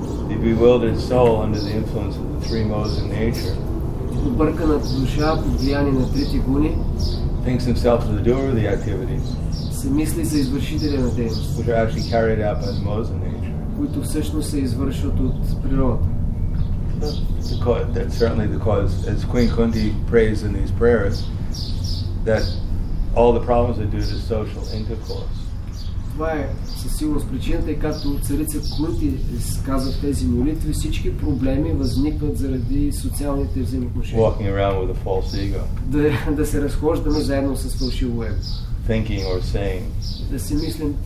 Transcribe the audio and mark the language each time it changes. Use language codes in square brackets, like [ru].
[en] The bewildered soul under the influence of the three modes of nature. [bg] Обърканата душа под влияние на трите гуни. [en] Thinks himself as the doer of the activities. [bg] Се мисли за извършителя на дейност. [en] Which are actually carried out by the modes of nature. [bg] Които всъщност се извършват от природата. [en] That's certainly the cause, as Queen Kunti prays in these prayers, that all the problems are due to social intercourse. [bg] Това е със сигурност причината, и както царица Кунти казва в тези молитви, всички проблеми възникват заради социалните взаимоотношения. [en] Walking around with a false ego. [bg] Да се разхождаме заедно с фалшиво его. [en] Thinking or saying, [bg] да си мислим,